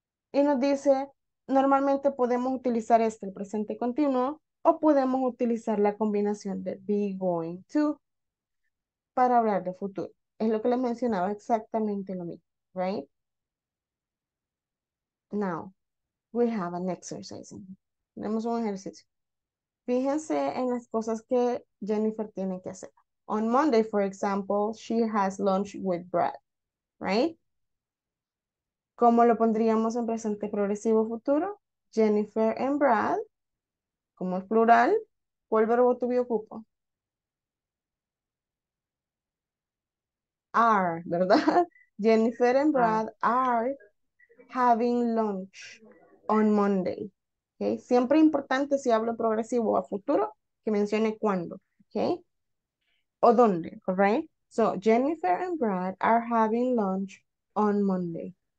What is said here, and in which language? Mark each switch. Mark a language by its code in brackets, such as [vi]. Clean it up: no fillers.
[es] Y nos dice, normalmente podemos utilizar este, el presente continuo, o podemos utilizar la combinación de be going to para hablar de futuro. Es lo que les mencionaba, exactamente lo mismo, ¿right? [en] Now, we have an exercise. [es] Tenemos un ejercicio. Fíjense en las cosas que Jennifer tiene que hacer. [en] On Monday, for example, she has lunch with Brad, right? [es] ¿Cómo lo pondríamos en presente progresivo futuro? Jennifer and Brad, como es plural, ¿cuál verbo to be ocupo? Are, ¿verdad? [en] Jennifer and Brad are having lunch on Monday. Okay. [es] Siempre es importante, si hablo progresivo a futuro, que mencione cuándo, okay, o dónde, [en] all right? So, Jennifer and Brad are having lunch on Monday.